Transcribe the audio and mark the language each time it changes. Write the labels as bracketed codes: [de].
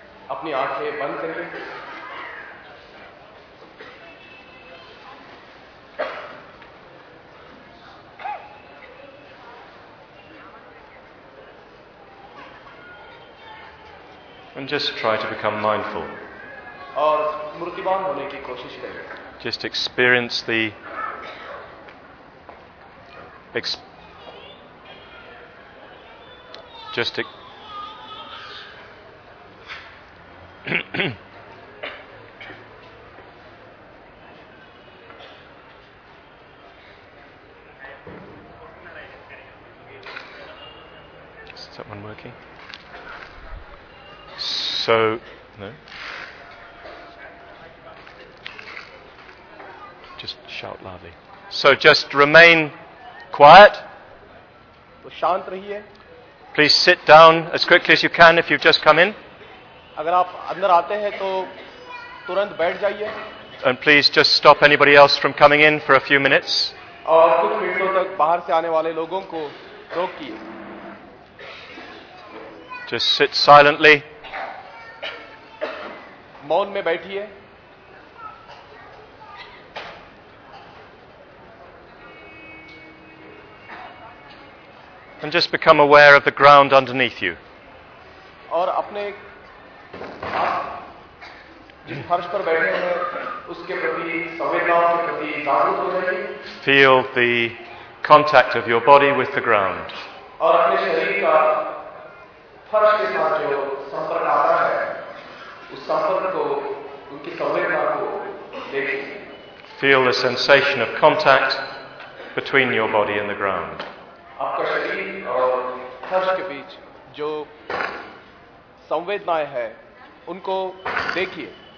[hi] अपनी आंखें बंद कर लें। [en] And just try to become mindful. [hi] और स्मृतिवान होने की कोशिश करें। [en] Just experience the is that one working? So, no. Just shout loudly. So just remain quiet. [hi] Shant rahiye. [en] Please sit down as quickly as you can if you've just come in. [hi] अगर आप अंदर आते हैं तो तुरंत बैठ जाइए. [en] And please just stop anybody else from coming in for a few minutes. [hi] और कुछ मिनटों तक बाहर से आने वाले लोगों को रोकिए. [en] Just sit silently. [hi] मौन में बैठिए. [en] And just become aware of the ground underneath you. [hi] और अपने आप जिस फर्श पर बैठे हैं उसके प्रति संवेदना के प्रति जागरूक हो जाइए. [en] Feel the contact of your body with the ground. [hi] और अपने शरीर का फर्श के साथ जो संपर्क आ रहा है उस संपर्क को उनकी संवेदना को देखिए. [en] Feel the sensation of contact between your body and the ground. [hi] आपका शरीर और फर्श के बीच जो संवेदनाएं हैं उनको देखिए.